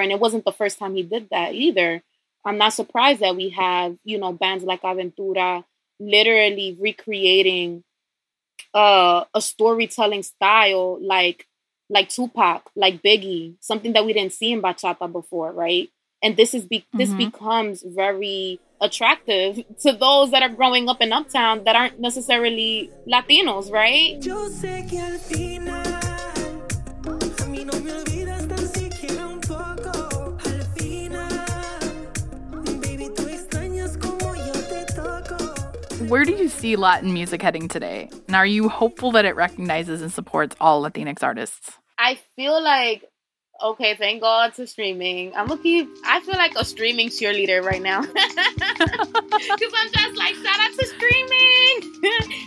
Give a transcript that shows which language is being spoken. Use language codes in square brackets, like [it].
[en] And it wasn't the first time he did that either. I'm not surprised that we have, you know, bands like Aventura literally recreating a storytelling style like Tupac, like Biggie, something that we didn't see in bachata before, right? And this is becomes very attractive to those that are growing up in Uptown that aren't necessarily Latinos, right? [es] Yo sé que al final, a mí no me olvidas tan siquiera un poco. Al final, baby, tú extrañas como yo te toco. [en] Where do you see Latin music heading today? And are you hopeful that it recognizes and supports all Latinx artists? I feel like, okay, thank God to streaming. I feel like a streaming cheerleader right now. Because I'm just like, shout out to streaming.